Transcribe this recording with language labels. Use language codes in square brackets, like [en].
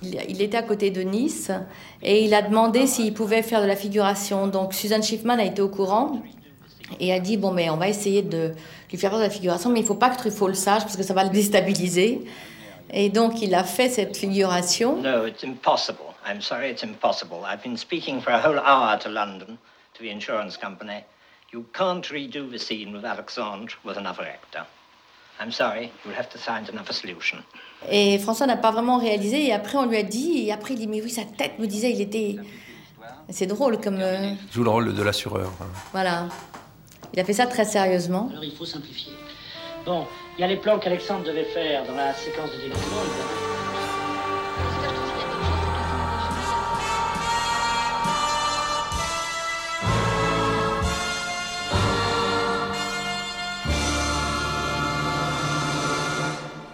[fr] Il était à côté de Nice et il a demandé s'il pouvait faire de la figuration. Donc, Suzanne Schiffman a été au courant et a dit, bon, mais on va essayer de lui faire de la figuration, mais il ne faut pas que Truffaut le sache parce que ça va le déstabiliser. Et donc, il a fait cette figuration. [en] No, it's impossible. I'm sorry, it's impossible. I've been speaking for a whole hour to London, to the insurance company. You can't redo the scene with Alexandre with another actor. I'm sorry, you'll have to find another solution. [fr] Et François n'a pas vraiment réalisé, et après on lui a dit, et après il dit, mais oui, sa tête me disait, il était... C'est drôle comme... Joue le rôle de l'assureur. Voilà. Il a fait ça très sérieusement. Alors, il faut simplifier. Bon, il y a les plans qu'Alexandre devait faire dans la séquence de développement.